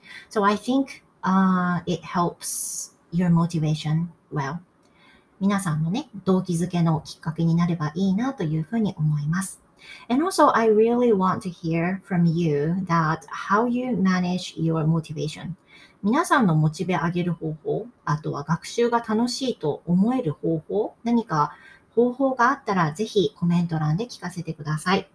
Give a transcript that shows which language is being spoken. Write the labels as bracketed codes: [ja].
[en] So I think it helps your motivation well. [ja] 皆さんのね、動機づけのきっかけになればいいなというふうに思います。 [en] And also, I really want to hear from you that how you manage your motivation. [ja] 皆さんのモチベ上げる方法、あとは学習が楽しいと思える方法、何か方法があったらぜひコメント欄で聞かせてください。